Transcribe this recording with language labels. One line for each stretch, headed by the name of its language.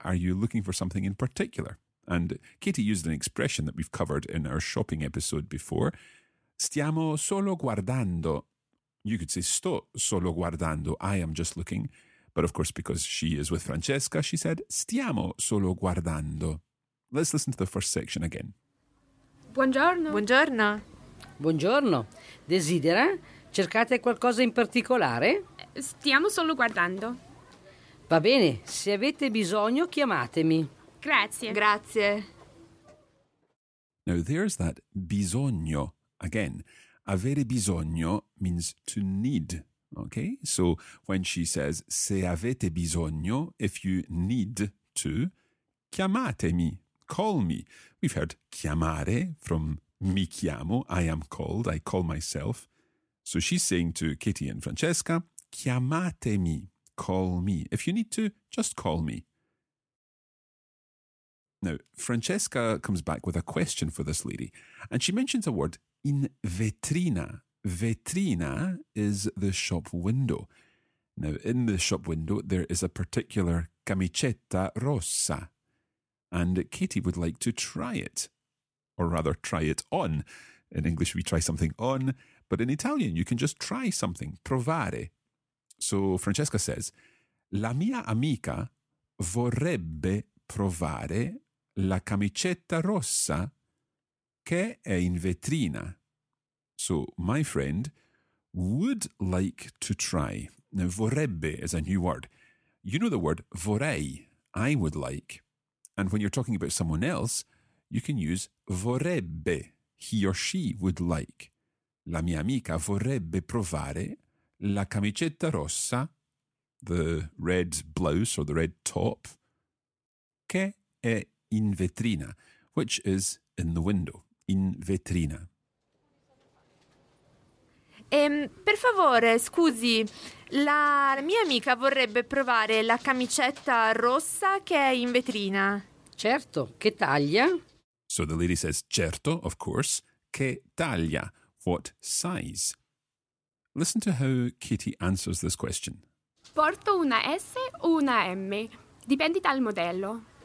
English: Are you looking for something in particular? And Katie used an expression that we've covered in our shopping episode before.
Italian: Stiamo solo guardando.
English: You could say,
Italian: sto solo guardando.
English: I am just looking. But of course, because she is with Francesca, she said,
Italian: stiamo solo guardando.
English: Let's listen to the first section again.
Italian: Buongiorno. Buongiorno. Buongiorno. Desidera? Cercate qualcosa in particolare? Stiamo solo guardando. Va bene, se avete bisogno, chiamatemi. Grazie. Grazie.
English: Now there's that bisogno again. Avere bisogno means to need. Okay, so when she says,
Italian: se avete bisogno,
English: if you need to, chiamatemi, call me. We've heard chiamare from
Italian: mi chiamo,
English: I am called, I call myself. So she's saying to Katie and Francesca, chiamatemi, call me. If you need to, just call me. Now, Francesca comes back with a question for this lady, and she mentions a word in vetrina. Vetrina is the shop window. Now, in the shop window, there is a particular camicetta rossa, and Katie would like to try it, or rather try it on. In English, we try something on, but in Italian, you can just try something, provare. So Francesca says,
Italian: la mia amica vorrebbe provare la camicetta rossa che è in vetrina.
English: So my friend would like to try. Now, vorrebbe is a new word. You know the word vorrei, I would like. And when you're talking about someone else, you can use vorrebbe, he or she would like.
Italian: La mia amica vorrebbe provare la camicetta rossa,
English: the red blouse or the red top,
Italian: che è in vetrina,
English: which is in the window,
Italian: in vetrina. Per favore, scusi, la mia amica vorrebbe provare la camicetta rossa che è in vetrina. Certo, che taglia?
English: So the lady says, certo, of course,
Italian: che taglia,
English: what size? Listen to how Katie answers this question.
Italian: Porto una S o una M, dipende dal modello.